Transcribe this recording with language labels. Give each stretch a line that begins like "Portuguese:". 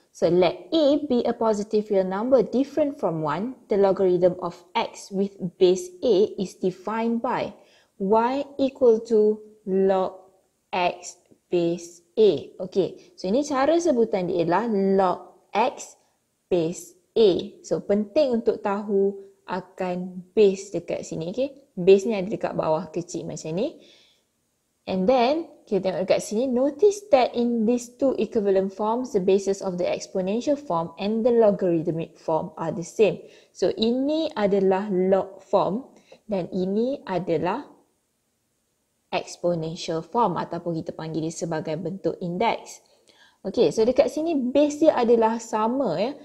English: So let a be a positive real number different from 1, the logarithm of x with base a is defined by y equal to log x base a.
Malay: Okay, so ini cara sebutan dia ialah log x base a. So penting untuk tahu akan base dekat sini. Okay, base ni ada dekat bawah kecil macam ni.
English: And then,
Malay: kita tengok dekat sini,
English: notice that in these two equivalent forms, the basis of the exponential form and the logarithmic form are the same.
Malay: So, ini adalah log form dan ini adalah exponential form ataupun kita panggil dia sebagai bentuk index. Okay, so dekat sini base dia adalah sama ya.